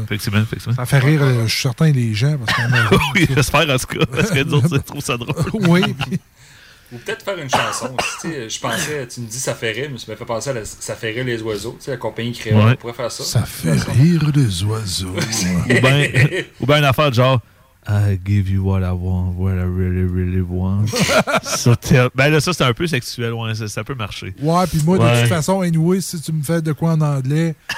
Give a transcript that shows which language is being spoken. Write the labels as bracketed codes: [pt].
[fr] Effectivement. Ça fait rire, je suis certain, les gens. Parce qu'on a... Oui, j'espère en tout cas, parce que d'autres, ils trouvent ça drôle. Oui. Ou peut-être faire une chanson. Tu sais, je pensais, tu me dis ça fait rire, mais ça me fait penser à la, ça fait rire les oiseaux. Tu sais, la compagnie créole, ouais. On pourrait faire ça. Ça fait rire les oiseaux. ou bien une affaire de genre. [en] I give you what I want, what I really, really want. [fr] Ben là, ça, c'est un peu sexuel, ouais, ça peut marcher. Ouais, puis moi, ouais. De toute façon, anyway, si tu me fais de quoi en anglais.